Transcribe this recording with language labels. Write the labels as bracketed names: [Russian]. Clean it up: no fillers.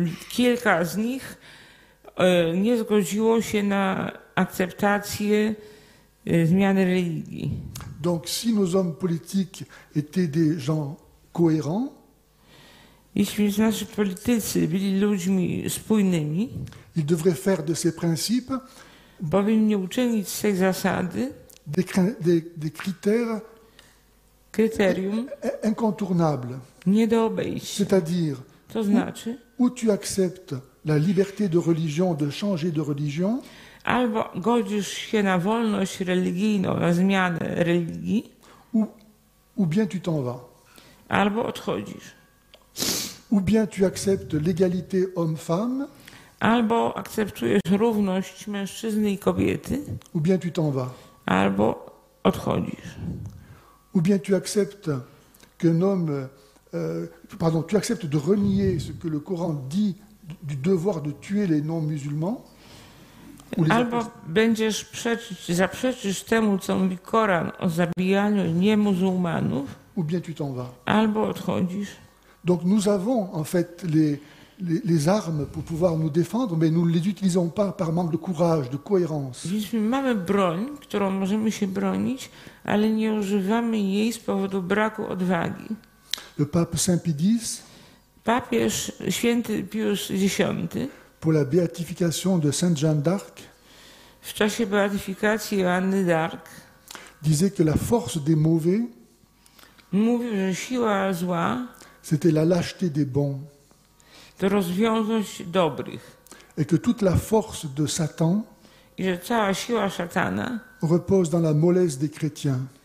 [Polish] Kilka z nich nie zgodziło się na akceptację zmiany religii. [French] Donc si nos hommes politiques étaient des gens cohérents, [Polish] jeśli nasi politycy byli ludźmi spójnymi, [French] ils devraient faire de ces principes, [Polish] powinni uczynić z tej zasady [French] des critères [Polish] kryterium [French] incontournables. [Polish] Nie do obejścia. [French] C'est-à-dire, [Polish] to znaczy, [French] où tu acceptes la liberté de religion, de changer de religion, [Polish] albo godzisz się na wolność religijną, na zmianę religii, [French] ou bien tu t'en vas. [Polish] Albo odchodzisz. [French] Ou bien tu acceptes l'égalité homme-femme, [Polish] albo akceptujesz równość mężczyzny i kobiety, [French] ou bien tu t'en vas. [Polish] Albo odchodzisz. [French] Ou bien tu acceptes qu'un homme tu acceptes de renier ce que le Coran dit du devoir de tuer les non-musulmans. [Polish] Albo będziesz zaprzeczysz temu, co mówi Koran o zabijaniu niemuzułmanów, [French] ou bien tu t'en vas. [Polish] Albo odchodzisz. [French] Donc nous avons en fait les armes pour pouvoir nous défendre, mais nous ne les utilisons pas par manque de courage, de cohérence. [Polish] Więc my mamy broń, którą możemy się bronić, ale nie używamy jej z powodu braku odwagi. [French] Le pape Saint-Pédis, [Polish] papież święty Pius X, [French] pour la béatification de Sainte Jeanne d'Arc, [Polish] w czasie beatyfikacji Anny d'Arc, [French] disait que la force des mauvais, [Polish] mówił, że siła zła, [French] c'était la lâcheté des bons, [Polish] to rozwiązłość dobrych, [French] et que toute la force de Satan, [Polish] i że cała siła szatana, [French] repose dans la mollesse des chrétiens,